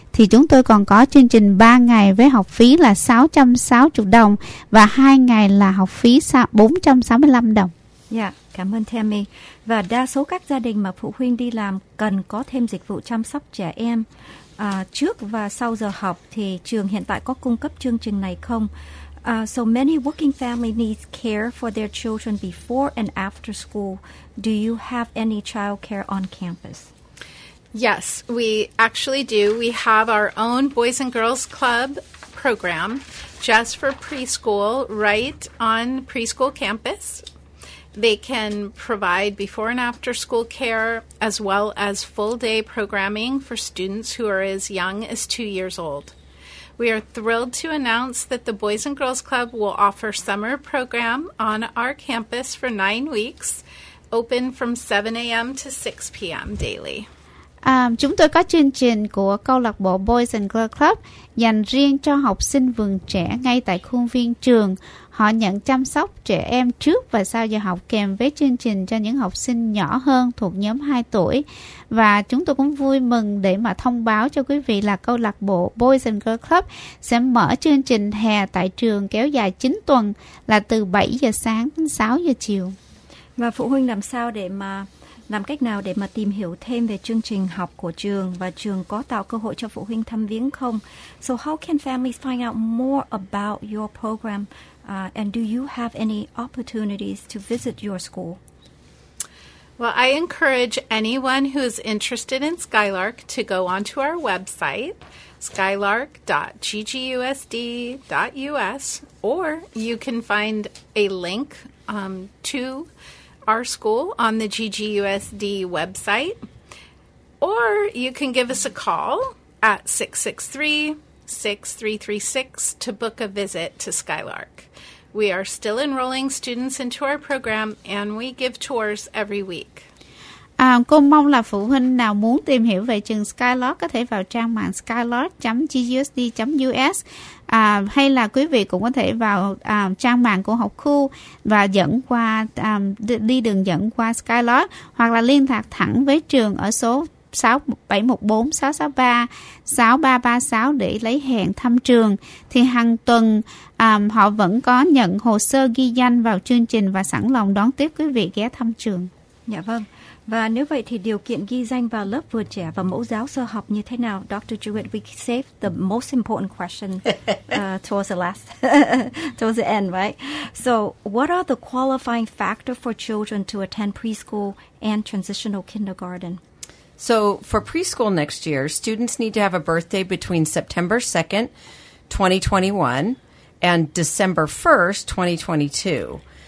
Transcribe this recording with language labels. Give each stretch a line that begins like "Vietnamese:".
Vietnamese: thì chúng tôi còn có chương trình 3 ngày với học phí là 660 đồng và 2 ngày là học phí 465 đồng. Dạ, cảm ơn Tammy. Và đa số các gia đình mà phụ huynh đi làm cần có thêm dịch vụ chăm sóc trẻ em. À, trước và sau giờ học thì trường hiện tại có cung cấp chương trình này không?
English: So many working families need care for their children before and after school. Do you have any child care on campus? Yes, we actually do. We have our own Boys and Girls Club program just for preschool right on preschool campus. They can provide before and after school care as well as full day programming for students who are as young as 2 years old. We are thrilled to announce that the Boys and Girls Club will offer summer program on our campus for 9 weeks, open from 7 a.m. to 6 p.m. daily.
Vietnamese: Chúng tôi có chương trình của câu lạc bộ Boys and Girls Club dành riêng cho học sinh vườn trẻ ngay tại khuôn viên trường. Họ nhận chăm sóc trẻ em trước và sau giờ học kèm với chương trình cho những học sinh nhỏ hơn thuộc nhóm 2 tuổi. Và chúng tôi cũng vui mừng để mà thông báo cho quý vị là câu lạc bộ Boys and Girls Club sẽ mở chương trình hè tại trường kéo dài 9 tuần là từ 7 giờ sáng đến 6 giờ chiều. Và phụ huynh làm sao để mà làm cách nào để mà tìm hiểu thêm về chương trình học của trường và trường có tạo cơ hội cho phụ huynh thăm viếng không?
English: So how can families find out more about your program and do you have any opportunities to visit your school? Well, I encourage anyone who is interested in Skylark to go onto our website, skylark.ggusd.us, or you can find a link to our school on the GGUSD website, or you can give us a call at 663-6336 to book a visit to Skylark. We are still enrolling students into our program and we give tours every week.
Vietnamese: Cô mong là phụ huynh nào muốn tìm hiểu về trường Skylark có thể vào trang mạng skylark.ggusd.us. Hay là quý vị cũng có thể vào trang mạng của học khu và dẫn qua đi đường dẫn qua Skylark hoặc là liên lạc thẳng với trường ở số 674-663-6336 để lấy hẹn thăm trường. Thì hàng tuần họ vẫn có nhận hồ sơ ghi danh vào chương trình và sẵn lòng đón tiếp quý vị ghé thăm trường. Dạ vâng. Và nếu vậy thì điều kiện ghi danh vào lớp vừa trẻ và mẫu giáo sơ học như thế nào?
English: Dr. Jewett, we save the most important question towards the last, towards the end, right? So what are the qualifying factors for children to attend preschool and transitional kindergarten? So for preschool next year, students need to have a birthday between September 2nd, 2021 and December 1st, 2022.